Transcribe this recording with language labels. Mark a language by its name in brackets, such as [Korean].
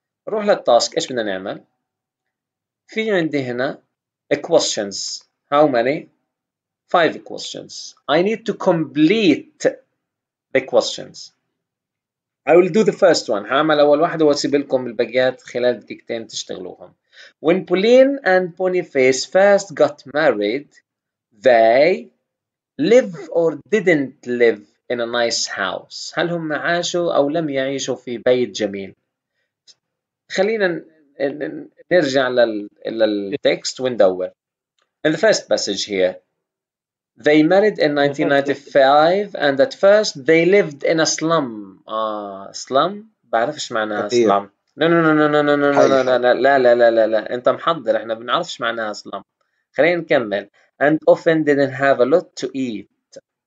[Arabic] روح للتاسك, ايش بدنا نعمل؟ في عندي هنا [English] questions, how many? 5 questions. I need to complete the questions. I will do the first one. [Arabic] هعمل أول واحدة وأسيب لكم البقيات خلال دقيقتين تشتغلوهم. [English] When Pauline and Boniface first got married, they live or didn't live in a nice house. [Arabic] هل هم عاشوا أو لم يعيشوا في بيت جميل؟ خلينا نرجع للتكست وندور. [English] In the first passage here, they married in 1995 and at first they lived in a slum. [Arabic] Slum? بعرف ايش معنى slum. [English] No, no, no, no, [Arabic] no, no, no, no, no, no, لا لا لا لا لا انت محضر, احنا بنعرفش معناها اصلا. خلينا نكمل. [English] And often didn't have a lot to eat.